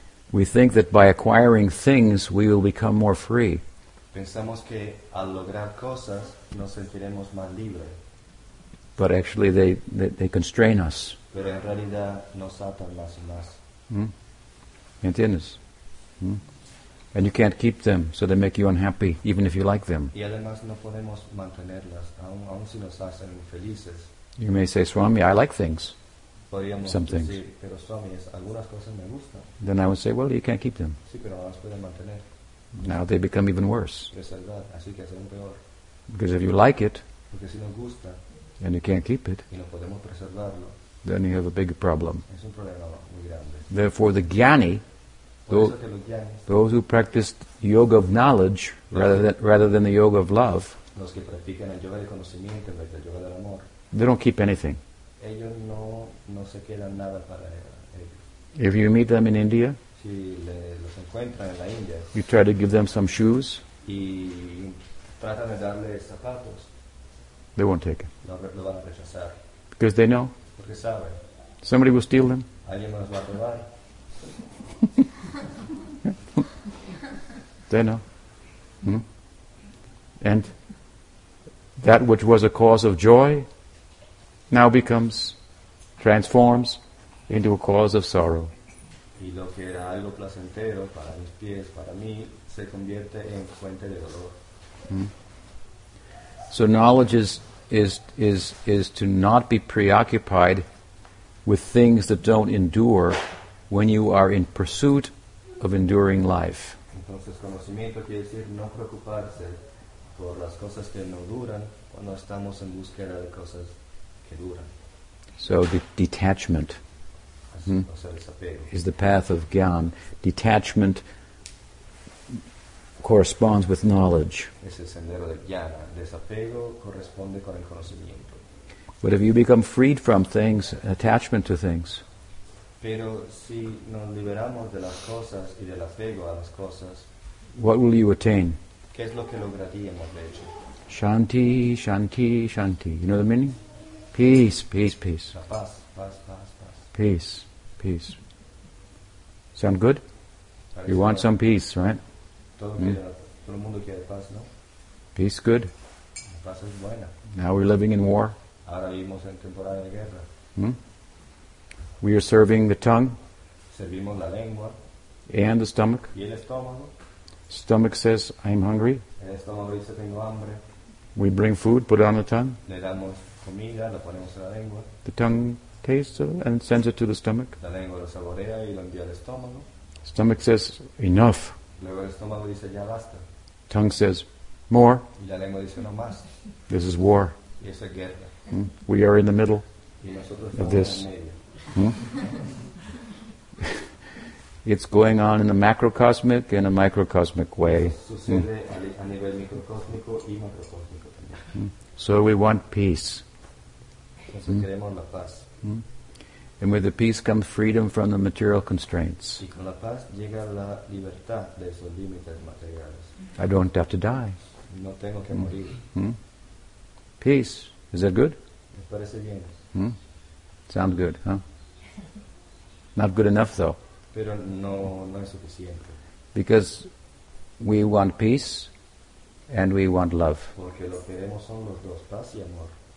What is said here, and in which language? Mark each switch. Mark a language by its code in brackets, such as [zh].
[en] We think that by acquiring things we will become more free. [es] Pensamos que al lograr cosas nos sentiremos más libres. [en] But actually they constrain us. [es] Pero en realidad nos atan más y más. ¿Me entiendes? [en] And you can't keep them, so they make you unhappy, even if you like them. [es] Y además no podemos mantenerlas, aun si nos hacen infelices. [en] You may say, Swami, I like things. [es] Podríamos [en] some [es] decir, [en] things. [es] Pero, Swami, algunas cosas me gustan. [en] Then I would say, well, you can't keep them. [es] Sí, pero las pueden mantener. [en] Now they become even worse. [es] Es verdad, así que hacen peor. [en] Because if you like it, [es] porque si nos gusta, [en] and you can't keep it, [es] y no podemos preservarlo, [en] then you have a big problem. [es] Es un problema muy grande. [en] Therefore, the jnani, those who practice yoga of knowledge rather than the yoga of love, [es] los que practican el yoga del conocimiento en vez del yoga del amor, [en] they don't keep anything. [es] Ellos no se quedan nada para ellos. [en] If you meet them in India, [es] si los encuentran en la India, [en] you try to give them some shoes, [es] y tratan de darles zapatos, [en] they won't take it. [es] Lo van a rechazar. [en] Because they know. [es] Porque saben. [en] Somebody will steal them. [es] Alguien los va a robar. [en] They know. And that which was a cause of joy now becomes, transforms into a cause of sorrow. [es] Y lo que era algo placentero para mis pies, para mí, se convierte en fuente de dolor. [en] So knowledge is to not be preoccupied with things that don't endure when you are in pursuit of enduring life. [es] Entonces, conocimiento quiere decir no preocuparse por las cosas que no duran cuando estamos en búsqueda de cosas que duran. [en] So detachment is the path of gyan. Detachment corresponds with knowledge. [es] Es el sendero de gyan. Desapego corresponde con el conocimiento. [en] But if you become freed from things, attachment to things, [es] pero si nos liberamos de las cosas y del apego a las cosas, [en] what will you attain? [es] ¿Qué es lo que lograríamos de hecho? [en] Shanti, shanti, shanti. You know the meaning? Peace, peace, peace. [es] La paz, paz, paz, paz. [en] Peace, peace. Sound good? [es] Parece [en] you want some peace, right? [es] Todo el mundo quiere paz, ¿no? [en] Peace, good. [es] La paz es buena. [en] Now we're living in war. [es] Ahora vivimos en temporada de guerra. [en] We are serving the tongue. [es] Servimos la lengua. [en] And the stomach. [es] Y el estómago. [en] Stomach says, I'm hungry. [es] El estómago dice, tengo hambre. [en] We bring food, put it on the tongue. [es] Le damos comida, lo ponemos en la lengua. [en] The tongue tastes and sends it to the stomach. [es] La lengua lo saborea y lo envía al estómago. [en] Stomach says, enough. [es] Luego el estómago dice, ya basta. [en] Tongue says, more. [es] Y la lengua dice, no más. [en] This is war. [es] Y eso es guerra. [en] We are in the middle [es] y nosotros estamos [en] of this. [es] En medio. [en] It's going on in a macrocosmic and a microcosmic way. [es] A nivel microcosmico y macrocosmico también. [en] So we want peace. [es] Queremos la paz. [en] And with the peace comes freedom from the material constraints. [es] Y con la paz llega la libertad de esos límites materiales. [en] I don't have to die. [es] No tengo que morir. [en] Peace. Is that good? [es] Me parece bien. [en] Sound good, huh? Not good enough, though. [es] Pero no es suficiente. [en] Because we want peace and we want love. [es] Porque lo queremos son los dos, paz y amor.